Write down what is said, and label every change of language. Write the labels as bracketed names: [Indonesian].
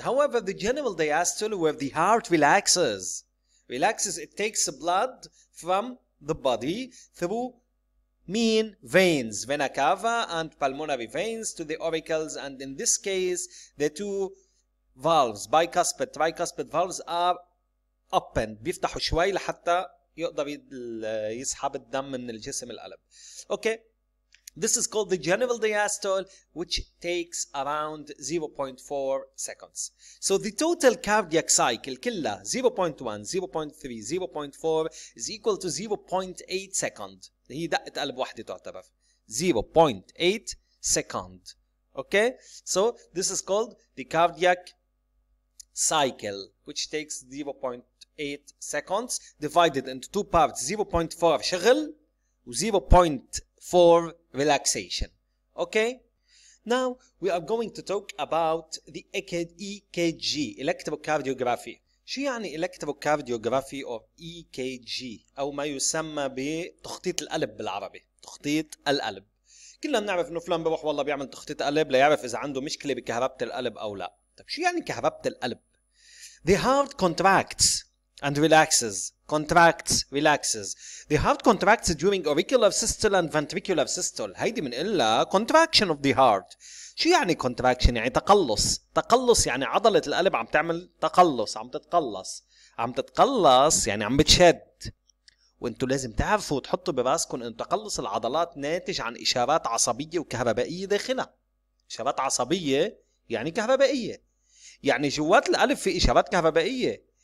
[English] However, the general diastole, where the heart relaxes, it takes blood from the body through mean veins, vena cava and pulmonary veins, to the auricles, and in this case the two valves, bicuspid, tricuspid valves, are open. [Arabic] بيفتحوا شوي لحتى يقدر يسحب الدم من الجسم القلب. [English] Okay, this is called the general diastole, which takes around 0.4 seconds. So the total cardiac cycle, كله 0.1, 0.3, 0.4, is equal to 0.8 seconds. [Arabic] هي دقة قلب واحدة تعتبر 0.8 second. [English] Okay, so this is called the cardiac cycle, which takes 0.8 seconds, divided into two parts, 0.4 شغل و 0.4 relaxation. Okay, now we are going to talk about the EKG, electrocardiography. [Arabic] شو يعني [English] electrocardiography or EKG [Arabic] أو ما يسمى بتخطيط القلب بالعربي؟ تخطيط القلب. كلنا بنعرف إنه فلان بروح والله بيعمل تخطيط قلب ليعرف إذا عنده مشكلة بكهربة القلب أو لا. طيب شو يعني كهربة القلب؟ [English] The heart contracts and relaxes. Contracts, relaxes. The heart contracts during auricular systole and ventricular systole. [Arabic] هيدي من إلا [English] contraction of the heart. [Arabic] شو يعني contraction؟ يعني تقلص. تقلص يعني عضلة القلب عم تعمل تقلص، عم تتقلص. عم تتقلص يعني عم بتشد. وانتو لازم تعرفوا وتحطوا براسكم ان تقلص العضلات ناتج عن إشارات عصبية وكهربائية داخلها. إشارات عصبية يعني كهربائية. يعني جوات القلب في إشارات كهربائية.